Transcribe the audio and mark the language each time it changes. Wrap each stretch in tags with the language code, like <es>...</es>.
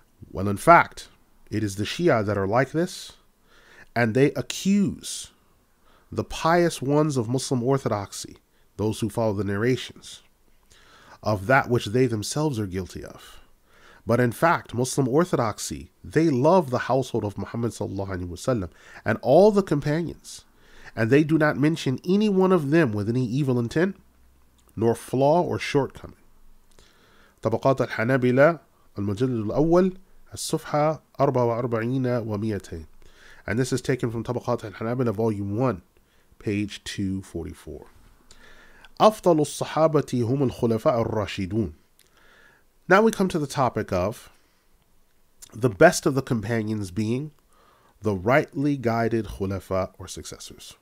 <en>Well, in fact, it is the Shia that are like this, and they accuse the pious ones of Muslim orthodoxy, those who follow the narrations, of that which they themselves are guilty of. But in fact, Muslim orthodoxy, they love the household of Muhammad sallallahu alaihi wasallam and all the companions, and they do not mention any one of them with any evil intent, nor flaw or shortcoming.</en> <ar>طبقات الحنابلة المجلد الأول الصفحة 44 و200.</ar> <en>And this is taken from طبقات الحنابلة volume 1, page 244.</en> <ar>أفضل الصحابة هم الخلفاء الراشدون.</ar> <en>Now we come to the topic of the best of the companions being the rightly guided khulafa or successors.</en>